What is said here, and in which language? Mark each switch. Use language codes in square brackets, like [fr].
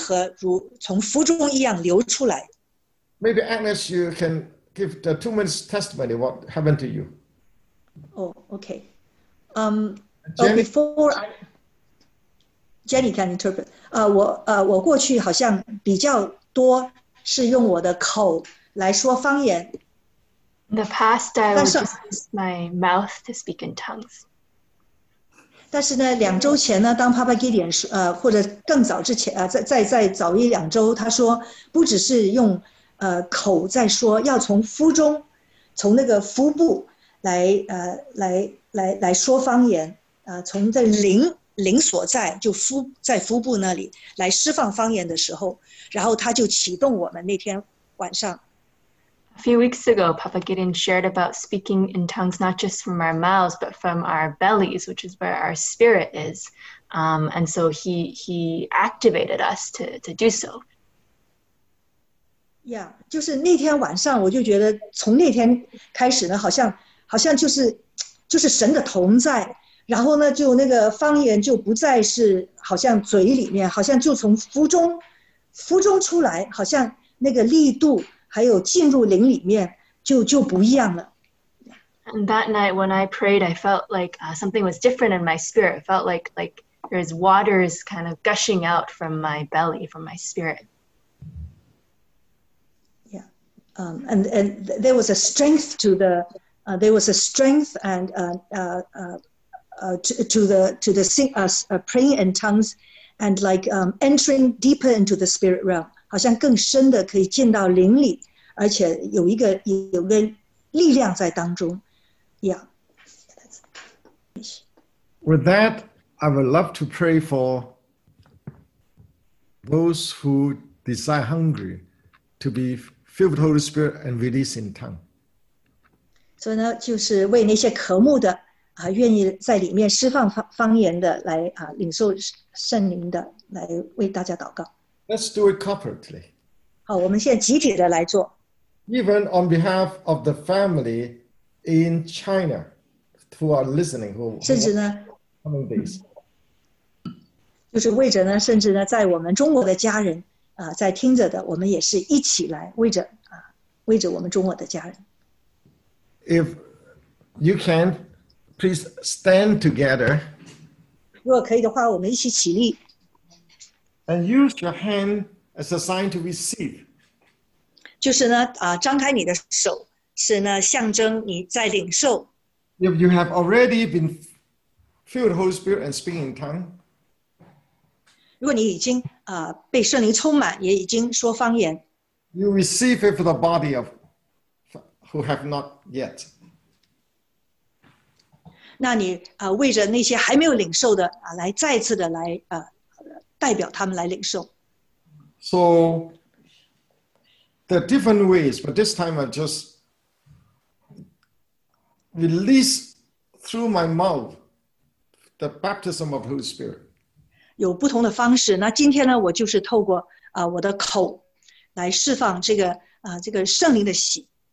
[zh] 从今天晚上开始，我们会从那个腹中，从那个江河如从腹中一样流出来。 [en] Maybe Agnes, you can give the 2 minutes testimony what happened to you. Oh, okay. Jenny can interpret. [zh] 我过去好像比较多是用我的口来说方言。 [en] In the past, I would just use my mouth to speak in tongues. [zh] 但是呢，两周前呢，当Papa Gideon说，或者更早之前，在早一两周，他说不只是用口在说，要从腹中，从那个腹部来说方言，从这灵所在就腹部那里来释放方言的时候，然后他就启动我们那天晚上。 [en] A few weeks ago, Papa Gideon shared about speaking in tongues, not just from our mouths, but from our bellies, which is where our spirit is. And so he activated us to do so. [zh] Yeah, 就是那天晚上我就觉得从那天开始呢，好像就是神的同在，然后呢，就那个方言就不再是好像嘴里面，好像就从腹中出来，好像那个力度还有进入灵里面就不一样了。 [en] And that night when I prayed, I felt like something was different in my spirit. I felt like there's waters kind of gushing out from my belly, from my spirit. Yeah, and there was a strength to the praying in tongues, and like entering deeper into the spirit realm. [zh] 好像更深的可以进到灵里，而且有一个力量在当中。 [en] Yeah. With that, I would love to pray for those who desire hungry to be filled with Holy Spirit and release in tongue. [zh] 所以呢，就是为那些渴慕的啊，愿意在里面释放方言的来啊，领受圣灵的，来为大家祷告。 [en] Let's do it corporately. [zh] 好，我们现在集体的来做。 [en] Even on behalf of the family in China who are listening, who [zh] 甚至呢 [en] coming days. [zh] 就是为着呢，甚至呢，在我们中国的家人啊，在听着的，我们也是一起来为着啊，为着我们中国的家人。 [en] If you can, please stand together. [zh] 如果可以的话，我们一起起立。 [en] And use your hand as a sign to receive. [zh] 就是呢，啊，张开你的手，是呢，象征你在领受。 [en] If you have already been filled with Holy Spirit and speaking in tongue, [zh] 如果你已经啊被圣灵充满，也已经说方言 [en] ，you receive it for the body of who have not yet. [zh] 那你啊，为着那些还没有领受的啊，来再次的来啊。代表他们来领受。 [en] So, there are different ways, but this time I just release through my mouth the baptism of Holy Spirit. [zh] 有不同的方式。那今天呢，我就是透过啊我的口来释放这个啊这个圣灵的洗。